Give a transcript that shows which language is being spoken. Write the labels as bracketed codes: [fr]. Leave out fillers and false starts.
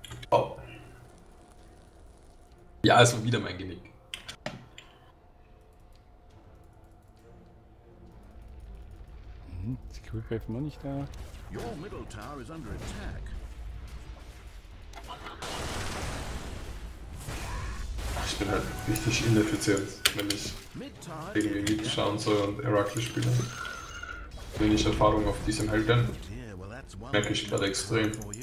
[de] Oh. Ja, es war wieder mein Genick. Security Grave noch nicht da. [en] Your middle tower is under attack. [de] Ich bin halt richtig ineffizient, wenn ich irgendwie mitschauen soll und Erakli spiele. Wenig Erfahrung auf diesem Helden. Merke ich gerade extrem.